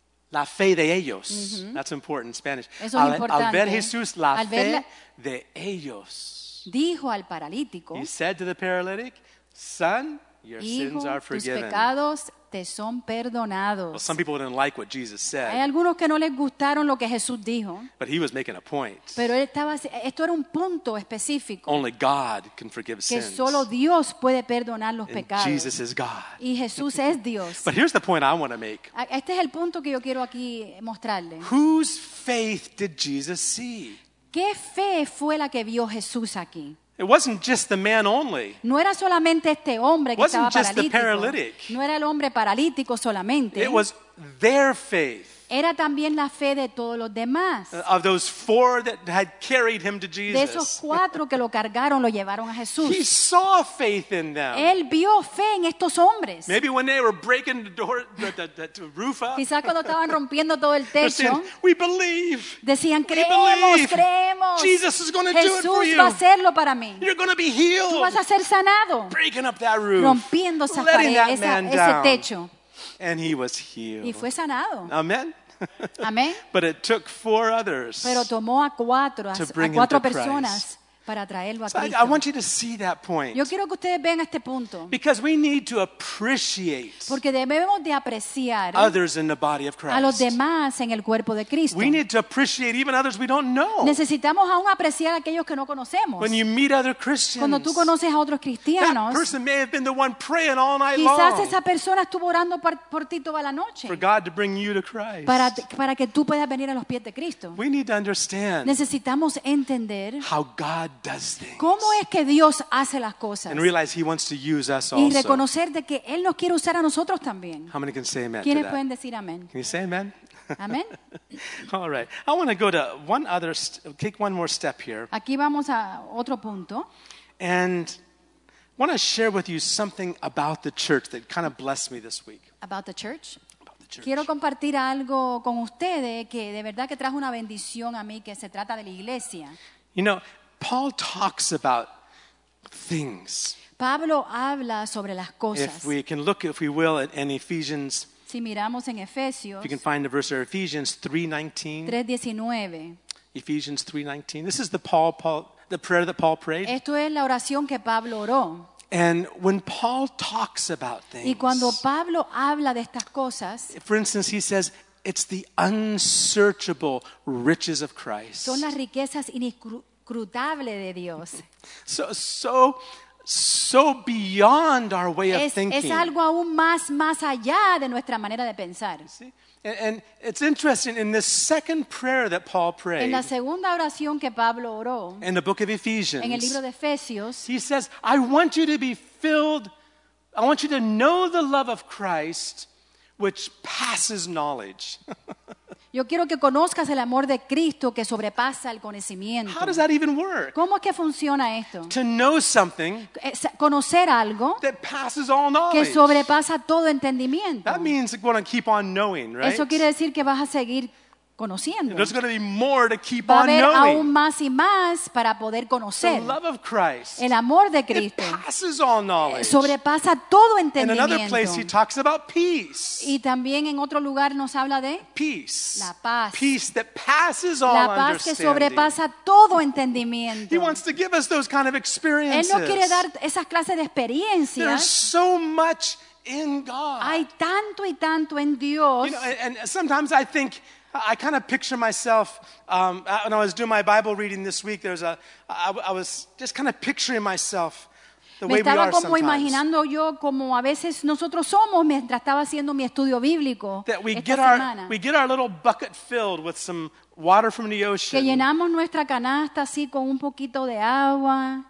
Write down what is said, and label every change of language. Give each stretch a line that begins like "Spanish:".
Spanish: la fe de ellos.
English: Mm-hmm. That's important in Spanish.
Spanish: Eso es importante. Al ver Jesús la fe de ellos. Dijo al paralítico.
English: He said to the paralytic, "Son, your sins are forgiven."
Spanish: Tus pecados te son perdonados.
English: Well, some people didn't like what Jesus said.
Spanish: Hay algunos que no les gustaron lo que Jesús dijo.
English: But he was making a point.
Spanish: Pero esto era un punto específico.
English: Only God can forgive sins.
Spanish: Que solo Dios puede perdonar los pecados.
English: Jesus is God.
Spanish: Y Jesús es Dios.
English: But here's the point I want to make.
Spanish: Este es el punto que yo quiero aquí mostrarle.
English: Whose faith did Jesus see?
Spanish: ¿Qué fe fue la que vio Jesús aquí?
English: It wasn't just the man only.
Spanish: No era solamente este hombre que
English: wasn't
Spanish: estaba
English: just
Spanish: paralítico.
English: The paralytic.
Spanish: No era el hombre paralítico solamente.
English: It was their faith.
Spanish: Era también la fe de todos los demás.
English: Of those four that had carried him to Jesus.
Spanish: De esos cuatro que lo cargaron, lo llevaron a Jesús.
English: He saw faith in them.
Spanish: Él vio fe en estos hombres.
English: Maybe when they were breaking the door, the roof up.
Spanish: Quizás cuando estaban rompiendo todo el techo.
English: We believe.
Spanish: Decían, creemos, creemos.
English: Jesus is going to do it for you.
Spanish: Jesús va a hacerlo para mí.
English: You're going to be healed.
Spanish: Tú vas a ser sanado.
English: Breaking up that roof.
Spanish: Rompiendo esa pared, ese techo.
English: And he was healed.
Spanish: Y fue sanado.
English: Amen.
Spanish: Amen.
English: But it took four others
Spanish: Pero tomó a cuatro,
English: to bring
Spanish: a cuatro
English: him to
Spanish: personas
English: Christ.
Spanish: para traerlo a Cristo.
English: So I want you to see that point.
Spanish: Yo quiero que ustedes vean este punto.
English: Because we need to appreciate.
Spanish: Porque debemos de apreciar
English: others in the body of Christ.
Spanish: A los demás en el cuerpo de Cristo.
English: We need to appreciate even others we don't know.
Spanish: Necesitamos aún apreciar a aquellos que no conocemos.
English: When you meet other Christians.
Spanish: Cuando tú conoces a otros cristianos.
English: That person may have been the one praying all night
Spanish: quizás
English: long.
Spanish: Quizás esa persona estuvo orando por ti toda la noche.
English: For God to bring you to Christ.
Spanish: Para que tú puedas venir a los pies de Cristo.
English: We need to understand.
Spanish: Necesitamos entender
English: how God does things.
Spanish: Cómo es que Dios hace las cosas.
English: And realize He wants to use us also.
Spanish: Y reconocer de que Él nos quiere usar a nosotros también.
English: How many can say amen?
Spanish: ¿Quiénes
English: to
Spanish: pueden
English: that?
Spanish: Decir amén?
English: Can you say amen?
Spanish: Amen.
English: All right. I want to go to one other take one more step here.
Spanish: Aquí vamos a otro punto.
English: And I want to share with you something about the church that kind of blessed me this week. About the church? Church.
Spanish: Quiero compartir algo con ustedes que de verdad que trajo una bendición a mí que se trata de la iglesia.
English: You know, Paul talks about things.
Spanish: Pablo habla sobre las cosas.
English: If we can look, if we will, in Ephesians.
Spanish: Si miramos en Efesios.
English: If you can find the verse there, Ephesians 3:19. 3:19. Ephesians 3:19. This is the Paul the prayer that Paul prayed.
Spanish: Esto es la oración que Pablo oró.
English: And when Paul talks about things,
Spanish: y cuando Pablo habla de estas cosas,
English: for instance, he says, it's the unsearchable riches of Christ.
Spanish: Son las riquezas inescrutables de Dios.
English: So beyond our way of thinking.
Spanish: Es algo aún más allá de nuestra manera de pensar.
English: And it's interesting, in the second prayer that Paul prayed,
Spanish: en la segunda oración que Pablo oró,
English: in the book of Ephesians,
Spanish: en el libro de Efesios,
English: he says, I want you to be filled, I want you to know the love of Christ, which passes knowledge.
Spanish: Yo quiero que conozcas el amor de Cristo que sobrepasa el conocimiento.
English: How does that even work?
Spanish: ¿Cómo es que funciona esto?
English: To know something,
Spanish: conocer algo
English: that passes all knowledge.
Spanish: Que sobrepasa todo entendimiento.
English: That means we're going to keep on knowing, right?
Spanish: Eso quiere decir que vas a seguir conociendo.
English: There's going to be more to keep on knowing.
Spanish: Va a haber aún más y más para poder conocer.
English: The love of Christ,
Spanish: el amor de Cristo,
English: it passes all knowledge.
Spanish: Sobrepasa todo entendimiento.
English: In another place he talks about peace.
Spanish: Y también en otro lugar nos habla de
English: peace.
Spanish: La paz.
English: Peace that passes all understanding.
Spanish: La paz que sobrepasa todo entendimiento.
English: He wants to give us those kind of experiences.
Spanish: Él nos quiere dar esas clases de experiencias.
English: There's so much in God.
Spanish: Hay tanto y tanto en Dios.
English: You know, and sometimes I think I kind of picture myself when I was doing my Bible reading this week. There was I was just kind of picturing myself the me way we are sometimes.
Spanish: Me estaba como imaginando yo como a veces nosotros somos mientras estaba haciendo mi estudio bíblico.
English: That we
Spanish: esta
English: get
Spanish: semana.
English: our little bucket filled with some water from the ocean.
Spanish: Que llenamos nuestra canasta así con un poquito de agua